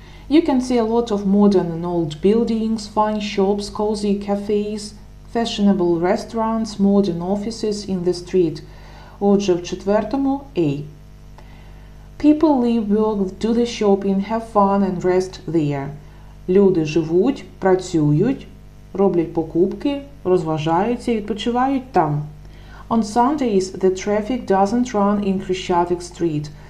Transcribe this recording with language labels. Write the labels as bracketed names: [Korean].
[English] You can see a lot of modern and old buildings, fine shops, cozy cafes, fashionable restaurants, modern offices in the street. [Ukrainian] Отже, в четвертому – A. [English] People leave work, do the shopping, have fun and rest there. [Ukrainian] Люди живуть, працюють, роблять покупки, розважаються і відпочивають там. [English] On Sundays the traffic doesn't run in Khrushchev Street.